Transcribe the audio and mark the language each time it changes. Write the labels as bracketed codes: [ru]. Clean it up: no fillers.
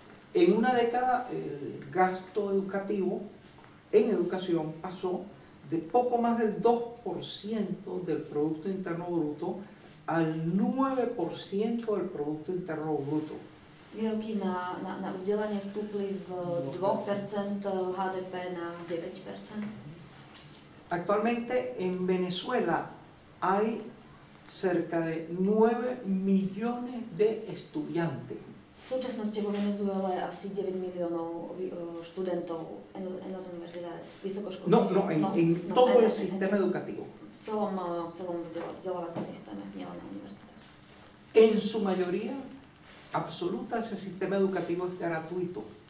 [es] En una década el gasto educativo en educación pasó de poco más del 2% del producto interno bruto al 9% del producto interno bruto. [sk] Výdavky na vzdelanie stúpli z 2% HDP na 9%. [es] Actualmente en Venezuela hay cerca de 9 millones de estudiantes. [sk] V súčasnosti vo Venezuele asi 9 miliónov študentov [es] en las universidades, [sk] vysokoškolských. [es] No, en todo el sistema educativo. [sk] V celom vzdelávacom systéme, nielen na univerzitách. [es] En su mayoría absoluta ese sistema educativo es gratuito.